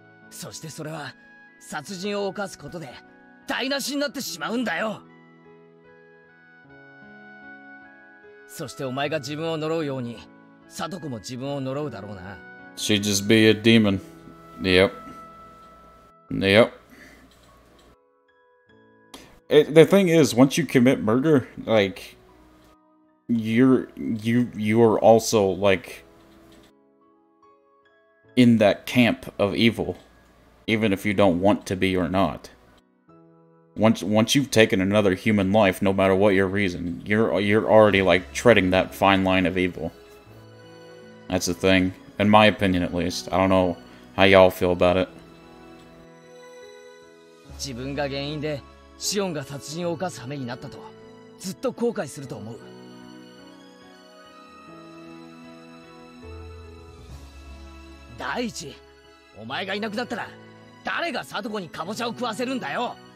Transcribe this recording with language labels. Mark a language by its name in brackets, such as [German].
[Japanese] そしてそれは殺人を犯すことで台無しになってしまうんだよ。そしてお前が自分を呪うようにサトコも自分を呪うだろうな。 [English] She'd just be a demon。 Yep. The thing is, once you commit murder, like, you are also, like, in that camp of evil, even if you don't want to be or not. Once you've taken another human life, no matter what your reason, you're already, like, treading that fine line of evil. That's the thing, in my opinion at least. I don't know how y'all feel about it. [Japanese] 自分が原因でシオンが殺人を犯す羽目になったとずっと後悔すると思う。第一、お前がいなくなったら誰がサトコにカボチャを食わせるんだよ。